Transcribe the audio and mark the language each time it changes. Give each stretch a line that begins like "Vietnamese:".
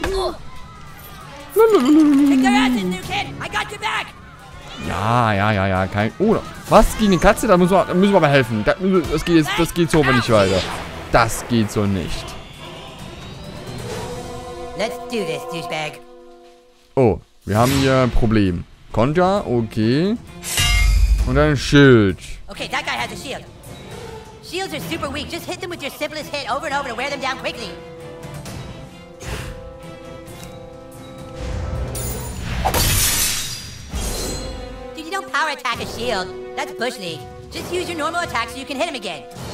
English: Kick your asses, new kid. I got you back.
German: Ja, kein. Oh, was? Gegen eine Katze? Da müssen wir mal helfen. Das geht so aber nicht weiter. Das geht so nicht.
English: Let's do this, douchebag.
German: Oh, wir haben hier ein Problem. Konja, okay. Und ein Schild.
English: Okay, that guy has a shield. Shields are super weak. Just hit them with your simplest hit over and over to wear them down quickly. Dude, you don't power attack a shield. That's Bush League. Just use your normal attack so you can hit him again.